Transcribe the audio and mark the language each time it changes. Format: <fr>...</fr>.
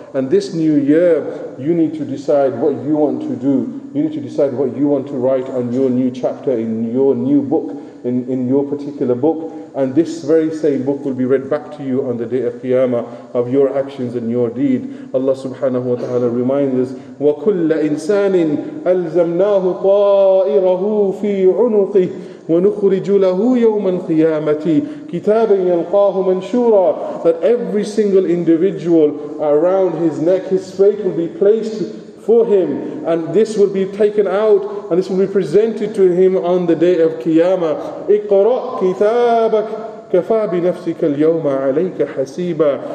<en>And this new year, you need to decide what you want to do. You need to decide what you want to write on your new chapter, in your new book. in your particular book, and this very same book will be read back to you on the day of Qiyamah of your actions and your deed. Allah subhanahu wa ta'ala reminds us,</en> <ar>وَكُلَّ إِنسَانٍ أَلْزَمْنَاهُ طَائِرَهُ فِي عُنُقِهِ وَنُخْرِجُ لَهُ يَوْمَ الْقِيَامَةِ كِتَابًا يَلْقَاهُ مَنْشُورًا.</ar> <en>That every single individual around his neck, his fate will be placed for him, and this will be taken out and this will be presented to him on the day of Qiyamah.</en> <ar>اِقْرَأْ كِتَابَكَ كَفَى بِنَفْسِكَ الْيَوْمَ عَلَيْكَ حَسِيبًا.</ar>